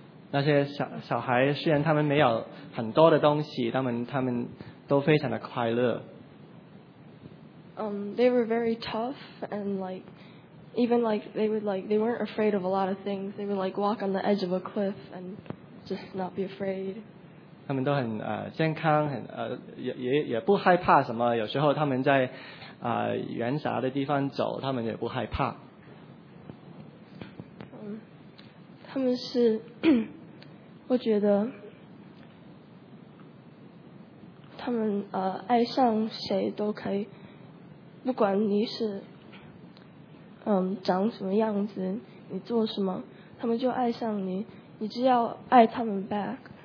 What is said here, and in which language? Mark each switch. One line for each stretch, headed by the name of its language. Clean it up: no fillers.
Chinese: 那些 小孩虽然他们没有很多的东西，他们都非常的快乐。
English: They were very tough and like even like they would like they weren't afraid of a lot of things. They would like walk on the edge of a cliff and just not be afraid.
Chinese: 他们都很健康，很也不害怕什么。有时候他们在原啥的地方走，他们也不害怕。他们是，我觉得他们爱上谁都可以，不管你是长什么样子，你做什么，他们就爱上你，你只要爱他们 back。